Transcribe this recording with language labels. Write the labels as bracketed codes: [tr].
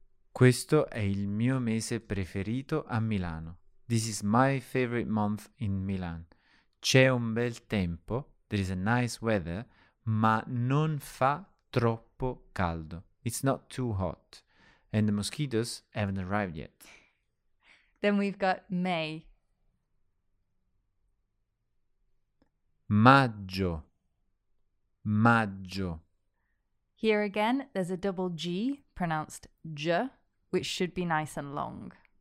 [it] Questo è il mio mese preferito a Milano. [en] This is my favorite month in Milan. [it] C'è un bel tempo, [en] there is a nice weather, [it] ma non fa troppo caldo. [en] It's not too hot. And the mosquitoes haven't arrived yet. Then we've got May. [it] Maggio. Maggio. [en] Here again, there's a double G pronounced J, which should be nice and long.